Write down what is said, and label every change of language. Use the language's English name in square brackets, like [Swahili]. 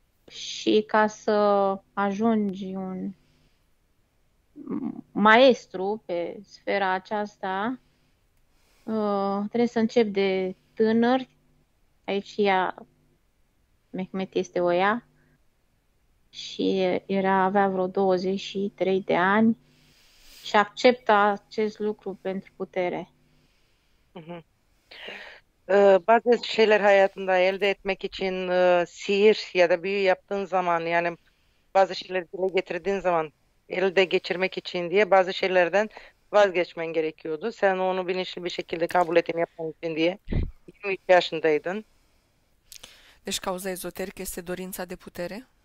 [Romanian] Și ca să ajungi un maestru pe sfera aceasta, trebuie să începi de tânăr. Aici ea, Mehmet este o ea. Și avea vreo 23 de ani și accepta acest lucru pentru putere. [Turkish] Bazı şeyler hayatında elde etmek için sihir ya da büyü yaptığın zaman, yani bazı şeyleri dile getirdiğin zaman elde geçirmek için diye bazı şeylerden vazgeçmen gerekiyordu. Sen onu bilinçli bir şekilde kabul ettin yapman için diye. 23 yaşındaydın. [Romanian] Deci cauza ezoterică este dorința de putere.